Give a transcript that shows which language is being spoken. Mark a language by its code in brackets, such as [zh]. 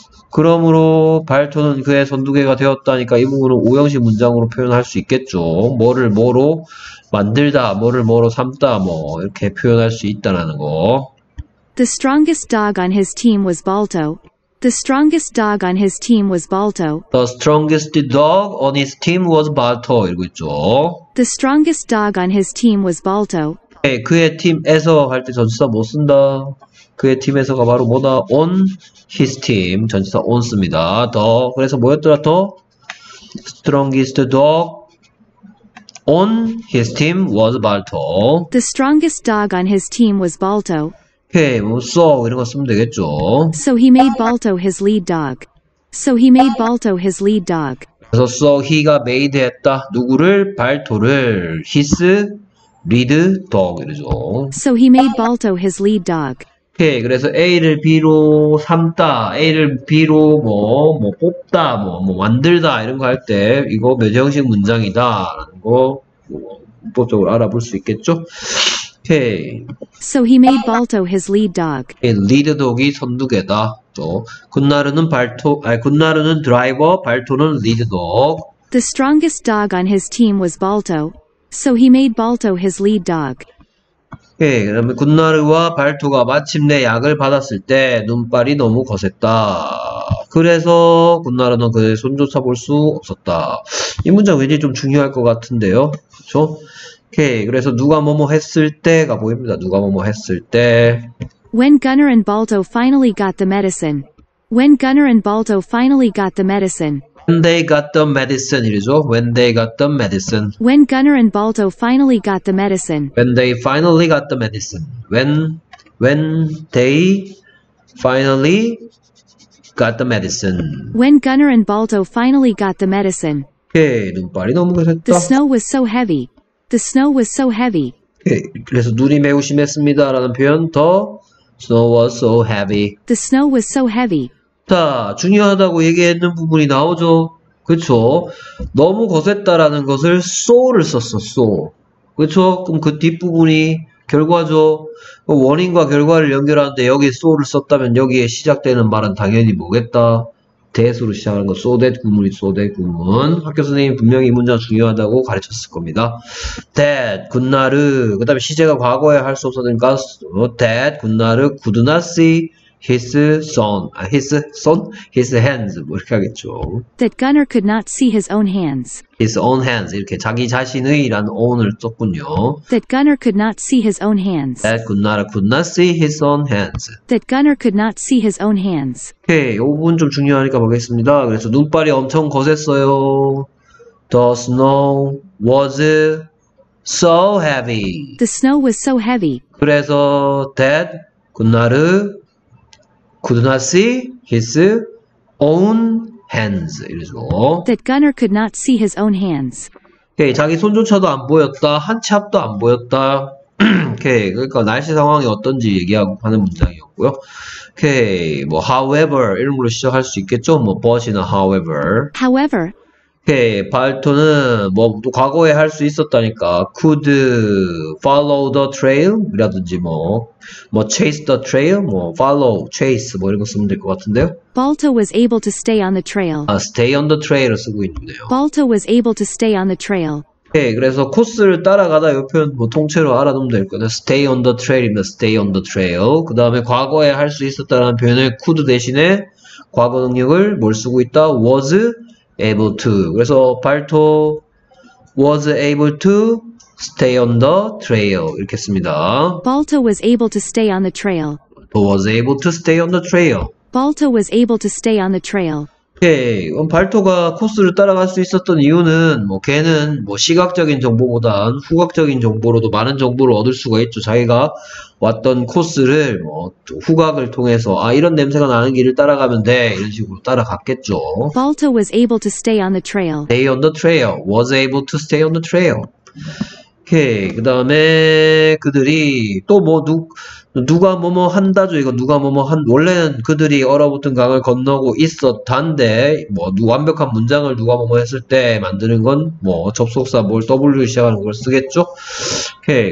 [ko] 그러므로 발토는 그의 선두개가 되었다니까 이 부분은 5형식 문장으로 표현할 수 있겠죠. 뭐를 뭐로 만들다, 뭐를 뭐로 삼다, 뭐 이렇게 표현할 수 있다라는 거. [en] The strongest dog on his team was Balto. The strongest dog on his team was Balto. The strongest dog on his team was Balto. [ko] 이러고 있죠. [en] The strongest dog on his team was Balto. [ko] 그의 팀에서 할때 전치사 못 쓴다. 그의 팀에서가 바로 뭐다? [en] On his team. [ko] 전치사 on 씁니다. 더. 그래서 뭐였더라? 더. [en] Strongest dog on his team was Balto. The strongest dog on his team was Balto. [ko] Okay, 뭐 so 이런 거 쓰면 되겠죠. [en] So he made Balto his lead dog. So he made Balto his lead dog. [ko] 그래서 [en] so he [ko] 가 made 했다. 누구를? 발토를. [en] His lead dog [ko] 이러죠. [en] So he made Balto his lead dog. [ko] Okay, 그래서 A를 B로 삼다, A를 B로 뭐 뽑다, 뭐 만들다 이런 거할때 이거 몇 형식 문장이다라는 거 문법적으로 알아볼 수 있겠죠? [en] Okay. So he made Balto his lead dog. [ko] Lead dog이 선두개다. 또 굿나르는 발토, 아니 굿나르는 드라이버, 발토는 lead dog. [en] The strongest dog on his team was Balto. So he made Balto his lead dog. [ko] 예, 그 다음에 굿나르와 발토가 마침내 약을 받았을 때 눈발이 너무 거셌다. 그래서 굿나르는 그의 손조차 볼수 없었다. 이 문장 왠지 좀 중요할 것 같은데요. 그렇죠? 오케이, 그래서 누가 뭐뭐 했을 때가 보입니다. 누가 뭐뭐 했을 때. [en] When Gunner and Balto finally got the medicine. When Gunner and Balto finally got the medicine. When they got the medicine [ko] 이러죠. [en] When they got the medicine. When Gunner and Balto finally got the medicine. When they finally got the medicine. When they finally got the medicine. When Gunner and Balto finally got the medicine. [ko] 오케이, 눈발이 너무 거셌다. [en] The snow was so heavy. The snow was so heavy. [ko] 오케이, 그래서 눈이 매우 심했습니다라는 표현 더. [en] Snow was so heavy. The snow was so heavy. [ko] 자, 중요하다고 얘기했는 부분이 나오죠. 그쵸? 너무 거셌다라는 것을 so를 썼어, so. 그렇죠? 그럼 그 뒷부분이 결과죠. 원인과 결과를 연결하는데 여기 so를 썼다면 여기에 시작되는 말은 당연히 뭐겠다? that으로 시작하는 거 so that 구문이 so that 구문. 학교 선생님이 분명히 이 문장 중요하다고 가르쳤을 겁니다. that, 굿나르. 그 다음에 시제가 과거에 할수 없었으니까 that, 굿나르, [en] could not see his son, his hands. [ko] 뭐 이렇게 하겠죠. [en] That Gunner could not see his own hands. His own hands. [ko] 이렇게 자기 자신의라는 own을 썼군요. [en] That Gunner could not see his own hands. That Gunnar could not see his own hands. That Gunner could not see his own hands. [ko] 오케이. 이 부분 좀 중요하니까 보겠습니다. 그래서 눈발이 엄청 거셌어요. [en] The snow was so heavy. The snow was so heavy. [ko] 그래서 [en] that Gunnar could not see his own hands. [ko] 이러죠. [en] That Gunner could not see his own hands. [ko] 오케이, 자기 손조차도 안 보였다. 한치 앞도 안 보였다. 오케이, 그러니까 날씨 상황이 어떤지 얘기하는 문장이었고요. 오케이, 뭐 however 이런 걸로 시작할 수 있겠죠. 뭐 but이나 however. [en] However, [ko] 오케이, 발토는 뭐 과거에 할수 있었다니까. [en] could follow the trail [ko] 이라든지 뭐 [en] chase the trail, [ko] 뭐 follow, chase 뭐 이런 거 쓰면 될것 같은데요. [en] Balto was able to stay on the trail. [ko] 아, [en] stay on the trail [ko] 을 쓰고 있네요. [en] Balto was able to stay on the trail. [ko] 네, 그래서 코스를 따라가다 이 표현 뭐 통째로 알아두면 될 거예요. [en] Stay on the trail입니다. Stay on the trail. 그 다음에 과거에 할수 있었다라는 표현을 could 대신에 과거 능력을 뭘 쓰고 있다? was able to. [ko] 그래서 발토 [en] was able to stay on the trail [ko] 이렇게 씁니다. [en] Balto was able to stay on the trail. was able to stay on the trail. Balto was able to stay on the trail. 오케이. [ko] 발토가 코스를 따라갈 수 있었던 이유는 뭐 걔는 뭐 시각적인 정보보단 후각적인 정보로도 많은 정보를 얻을 수가 있죠. 자기가 왔던 코스를 뭐 후각을 통해서 아 이런 냄새가 나는 길을 따라가면 돼 이런 식으로 따라갔겠죠. [en] Balto was able to stay on the trail. Stay on the trail. Was able to stay on the trail. 오케이. [ko] 그 다음에 그들이 또뭐 누가 뭐뭐 한다죠. 이거 누가 뭐뭐 한 원래는 그들이 얼어붙은 강을 건너고 있었단데 뭐 완벽한 문장을 누가 뭐뭐 했을 때 만드는 건뭐 접속사 뭘 W 시작하는 걸 쓰겠죠. 오케이.